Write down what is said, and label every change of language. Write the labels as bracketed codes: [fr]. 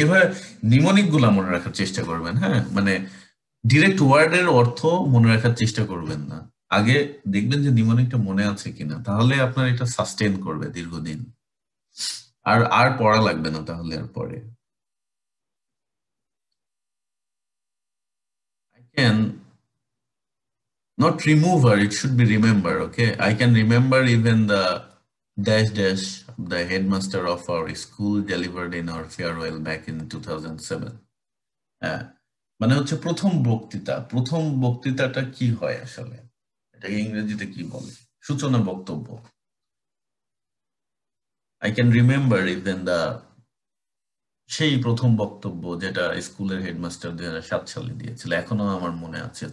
[bn] এভাবে নিমোনিক গুলা মনে রাখার চেষ্টা করবেন, হ্যাঁ, মানে ডিরেক্ট ওয়ার্ডের অর্থ মনে রাখার চেষ্টা করবেন না, আগে দেখবেন যে নিমোনিকটা মনে আছে কিনা, তাহলে আপনার এটা সাস্টেন করবে দীর্ঘদিন, আর আর পড়া লাগবে না তাহলে আর পরে। [en] I can not remover, it should be remember, okay? I can remember even the dash dash the headmaster of our school delivered in our farewell back in 2007. [bn] মানে হচ্ছে প্রথম বক্তৃতা, প্রথম বক্তৃতাটা কি হয় আসলে, এটা ইংরেজিতে কি বলে? সূচনা বক্তব্য। [en] I can remember even the [bn] সেই প্রথম বক্তব্য যেটা স্কুলের হেডমাস্টার 2007 সালে দিয়েছিল, এখনো আমার মনে আছে।